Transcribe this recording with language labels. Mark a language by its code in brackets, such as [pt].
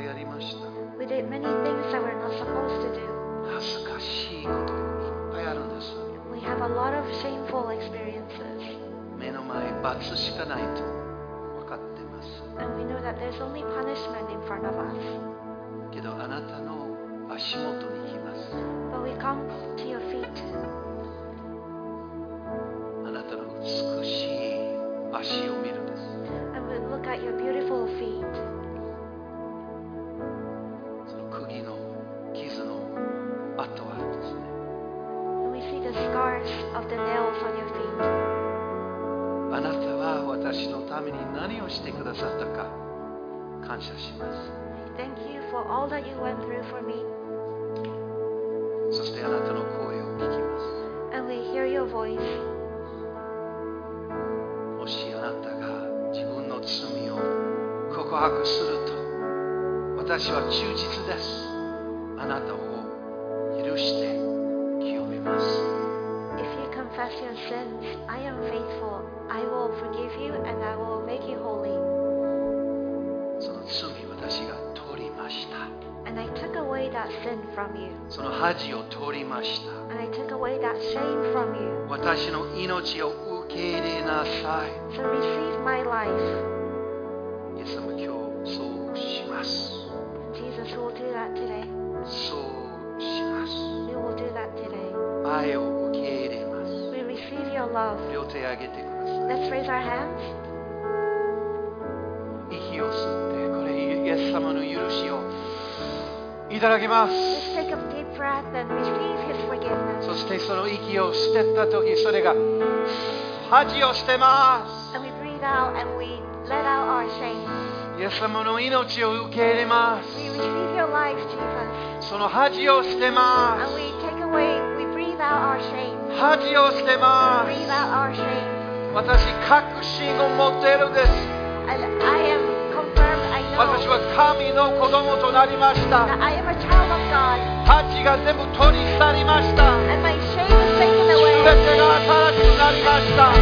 [en] Many things that we're not supposed to do. [ja] 恥ずかしいこといっぱいあるんです。 [en] We have have a lot of shameful experiences. [ja] 目の前罰しかないと分かってます。 [en] And we know that there's only punishment in front of us. [ja] けどあなたの足元に来ます。 [en] But we come to your feet. [ja] あなたの美しい足を見るんです。 [en] And we look at your beautiful feet. [ja] その釘の傷の跡はあるんですね。 [en] And we see the scars of the nails on your feet. [ja] あなたは私のために何をしてくださったか感謝します。 [en] Thank you for all that you went through for me. [ja] そしてあなたの声を聞きます。 [en] And we hear your voice. [ja] もしあなたが自分の罪を告白すると、私は忠実です。あなたを許して清めます。 [en] If you confess your sins, I am faithful. I will forgive you and I will make you holy. [ja] その罪を私が取りました。 [en] And I took away that sin from you. [ja] その恥を取りました。 [en] And I took away that shame from you. [ja] 私の命を受け入れなさい。 [en] So receive my life. [ja] イエス様、今日そうします。 [en] Jesus will do that today. [ja] そうします。 [en] We will do that today. [ja] 愛を受け入れます。 [en] We receive your love. [ja] 両手を挙げてください。 [en] Let's raise our hands. [ja] 息を吸ってこれイエス様の許しをいただきます。 [en] Let's take a deep breath and receive His forgiveness. [ja] そしてその息を捨てた時それが恥を捨てます。 [en] And we breathe out and we let out our shame. [ja] イエス様の命を受け入れます。 [en] We receive Your life, Jesus. [ja] その恥を捨てます。 [en] And we take away, we breathe out our shame. [ja] 恥を捨てます。 [en] We breathe out our shame. [ja] 私確信を持っているです。 [en] I am confirmed, I know. [ja] 私は神の子供となりました。 [en] I am a child of God. [ja] 恥が全部取り去りました。 [en] And my shame is taken away. [ja] 全てが新しくなりました。